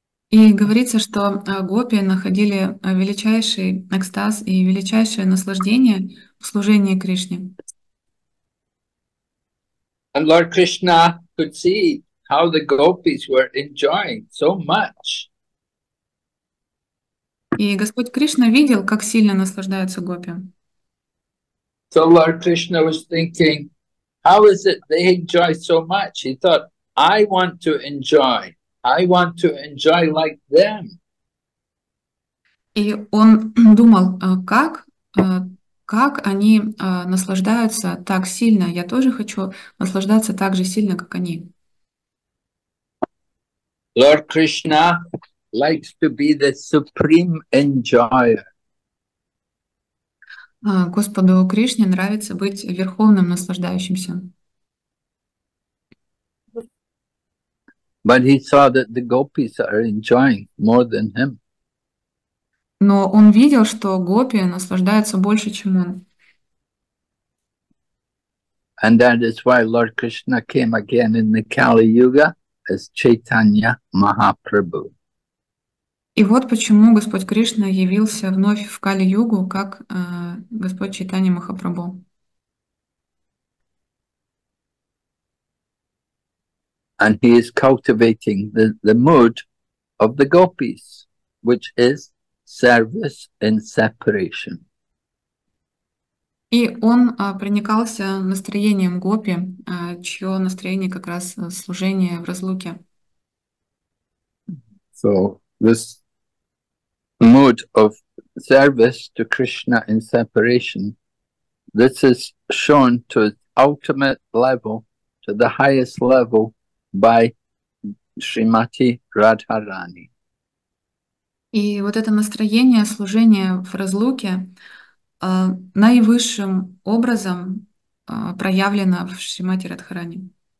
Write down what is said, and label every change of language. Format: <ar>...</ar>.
<ru>И говорится, что гопи находили величайший экстаз и величайшее наслаждение в служении Кришне.</ru> <en>And Lord Krishna could see how the gopis were enjoying so much.</en> <ru>И Господь Кришна видел, как сильно наслаждаются гопи.</ru> <en>So Lord Krishna was thinking, how is it they enjoy so much? He thought, I want to enjoy. I want to enjoy like them.</en> <ru>И он думал, как они наслаждаются так сильно. Я тоже хочу наслаждаться так же сильно, как они.</ru> <en>Lord Krishna likes to be the supreme enjoyer.</en> <ru>Господу Кришне нравится быть верховным наслаждающимся.</ru> <en>But he saw that the gopis are enjoying more than him.</en> <ru>Но он видел, что гопи наслаждаются больше, чем он.</ru> <en>And that is why Lord Krishna came again in the Kali Yuga as Chaitanya Mahaprabhu.</en> <ru>И вот почему Господь Кришна явился вновь в Кали-Югу, как Господь Чайтанья Махапрабху.</ru> <en>And he is cultivating the mood of the gopis, which is service in separation.</en> <ru>И он проникался настроением гопи, чье настроение как раз служение в разлуке.</ru> <en>So this mood of service to Krishna in separation, this is shown to its ultimate level, to the highest level, by Srimati Radharani.</en> <ru>И вот это настроение служения в разлуке наивысшим образом проявлено в Шримати Радхарани.</ru>